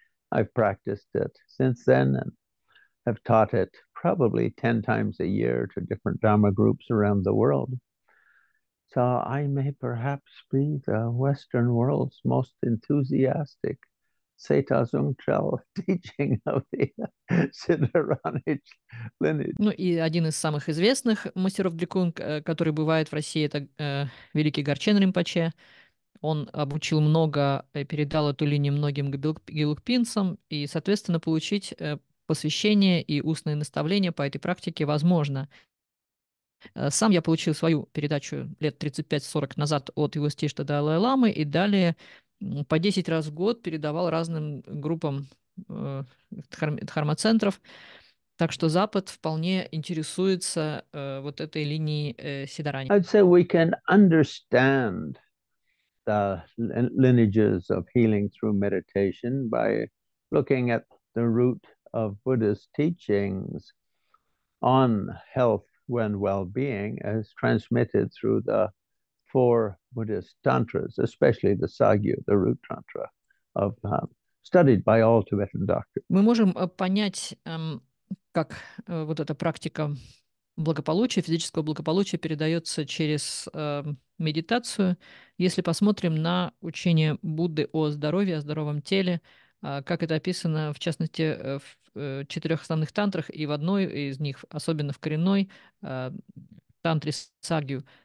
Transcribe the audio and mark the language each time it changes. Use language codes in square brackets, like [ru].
[en] I've practiced it since then and have taught it probably 10 times a year to different Dharma groups around the world. So I may perhaps be the Western world's most enthusiastic Seta Zungchel teaching of the Siddharanich lineage. [ru] Ну и один из самых известных мастеров Дикун, который бывает в России, это великий Горчен Ринпоче. Он обучил много, передал эту линию многим гелугпинцам, и, соответственно, получить посвящение и устное наставление по этой практике возможно. Сам я получил свою передачу лет 35-40 назад от его стишта Далай-ламы, и далее по 10 раз в год передавал разным группам дхармоцентров. Так что Запад вполне интересуется вот этой линией Сидарани. [en] I'd say we can understand the lineages of healing through meditation by looking at the root of Buddha's teachings on health and well-being as transmitted through the four Buddhist tantras, especially the Sagyu, the root tantra, of studied by all Tibetan doctors. [ru] Мы можем понять, как вот эта практика благополучия, физического благополучия передается через медитацию, если посмотрим на учение Будды о здоровье, о здоровом теле, как это описано, в частности, в четырех основных тантрах, и в одной из них, особенно в коренной тантре Сагью.